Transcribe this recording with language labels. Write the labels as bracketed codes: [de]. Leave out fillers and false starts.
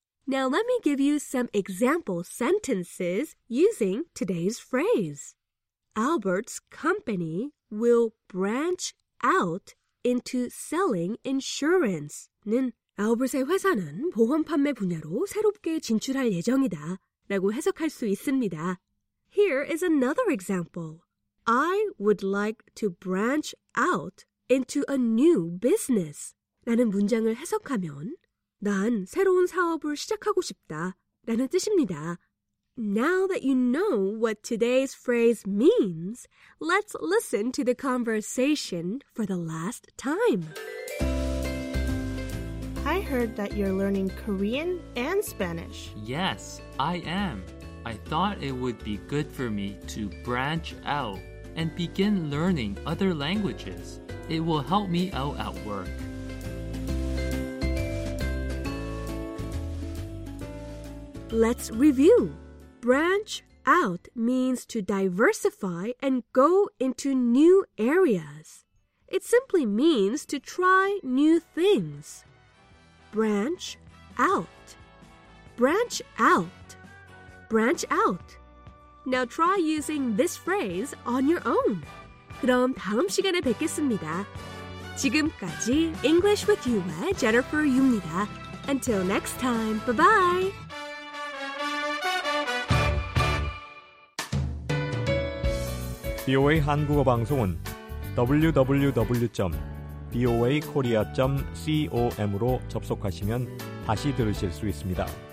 [en] Now let me give you some example sentences using today's phrase. Albert's company will branch out into selling insurance. [ko] 는 Albert의 회사는 보험 판매 분야로 새롭게 진출할 예정이다 라고 해석할 수 있습니다. [en] Here is another example. I would like to branch out into a new business. [ko] 라는 문장을 해석하면 난 새로운 사업을 시작하고 싶다 라는 뜻입니다. [en] Now that you know what today's phrase means, let's listen to the conversation for the last time. I heard that you're learning Korean and Spanish. Yes, I am. I thought it would be good for me to branch out and begin learning other languages. It will help me out at work. Let's review. Branch out means to diversify and go into new areas. It simply means to try new things. Branch out. Branch out. Branch out. Now try using this phrase on your own. [ko] 그럼 다음 시간에 뵙겠습니다. 지금까지 English with You의 Jennifer Yu입니다. [en] Until next time, bye-bye. [ko] BOA 한국어 방송은 www.boakorea.com으로 접속하시면 다시 들으실 수 있습니다.